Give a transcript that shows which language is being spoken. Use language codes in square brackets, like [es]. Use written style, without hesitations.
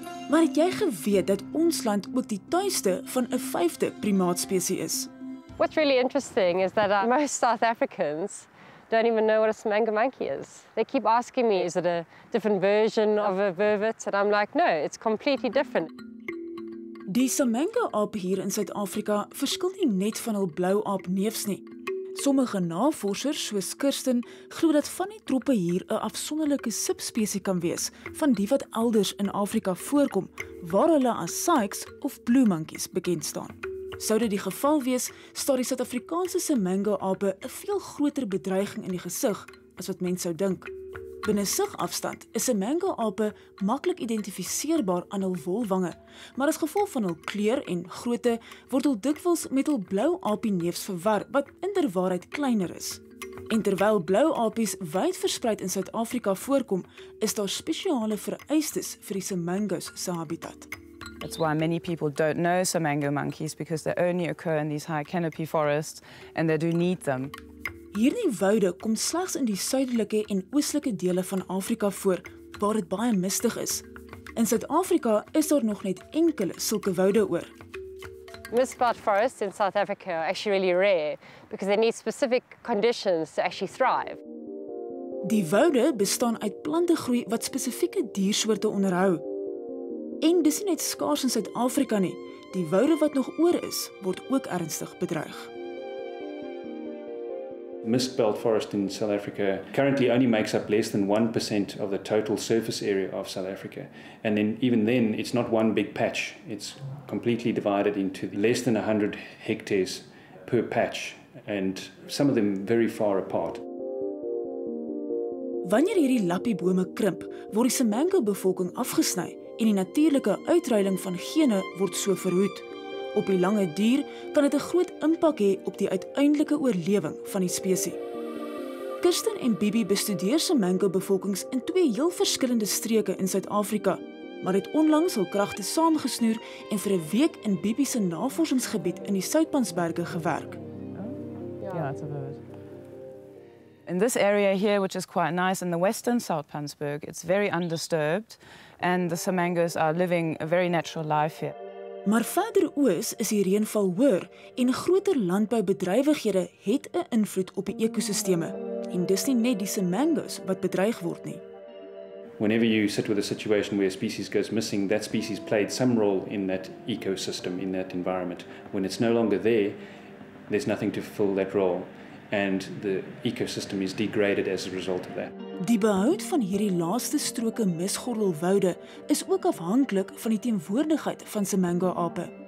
[af] Maar het jy geweet dat ons land ook die tuiste van 'n vyfde primaatspesie is? [en] What's really interesting is that most South Africans don't even know what a Semanga monkey is. They keep asking me, is it a different version of a vervet? And I'm like, no, it's completely different. [af] Die Semanga-aap hier in Suid-Afrika verskil nie net van hul blou aap neefs nie. Sommige navorsers, soos Kirsten, glo dat van die troepe hier 'n afsonderlike subspesie kan wees van die wat elders in Afrika voorkom, waar hulle as sykes of blue monkeys bekend staan. Sou dit die geval wees, staar die Suid-Afrikaanse Semanga-ape 'n veel groter bedreiging in die gesig as wat mens sou dink. Binne sigafstand is Semanga-ape maklik identifiseerbaar aan hul wolwange, maar as gevolg van hul kleur en grootte word hul dikwels met hul blou apie neefs verwar wat inderwaarheid kleiner is. En terwyl blou apies wyd verspreid in Suid-Afrika voorkom, is daar spesiale vereistes vir die Semangas se habitat. [en] That's why many people don't know Semanga monkeys because they only occur in these high canopy forests and they do need them. [af] Hierdie woude kom slegs in die suidelike en oostelike dele van Afrika voor waar dit baie mistig is. In Suid-Afrika is daar nog net enkele sulke woude oor. [en] Mistbelt forests in South Africa are actually really rare because they need specific conditions to actually thrive. [af] Die woude bestaan uit plantegroei wat spesifieke diersoorte onderhou. En dis nie net skaars in Suid-Afrika nie. Die woude wat nog oor is, word ook ernstig bedreig. [en] Mistbelt forest in South Africa currently only makes up less than 1% of the total surface area of South Africa. And then even then it's not one big patch. It's completely divided into less than 100 hectares per patch and some of them very far apart. [af] Wanneer hierdie lappiebome krimp, word die Semanga-bevolking afgesny. En die natuurlike uitruiling van gene word so verhoed. Op die lange duur kan dit 'n groot impak hê op die uiteindelike oorlewing van die spesie. Kirsten en Bibi bestudeer Semanga-bevolkings in twee heel verskillende streke in Suid-Afrika, maar het onlangs hul kragte saamgesnoer en vir 'n week in Bibi se navorsingsgebied in die Soutpansberge gewerk. Ja, dit is verwoed. [en] In this area here, which is quite nice, in the western Soutpansberg, it's very undisturbed and the Semangas are living a very natural life here. [af] Maar verder oos is die reënval hoër en groter landboubedrywighede het 'n invloed op die ekosisteme en dis nie net die Semangas wat bedreig word nie. [en] Whenever you sit with a situation where a species goes missing, that species played some role in that ecosystem, in that environment. When it's no longer there, there's nothing to fill that role. And the ecosystem is degraded as a result of that. [af] Die behoud van hierdie laaste stroke misgordelwoude is ook afhanklik van die teenwoordigheid van Semanga-ape.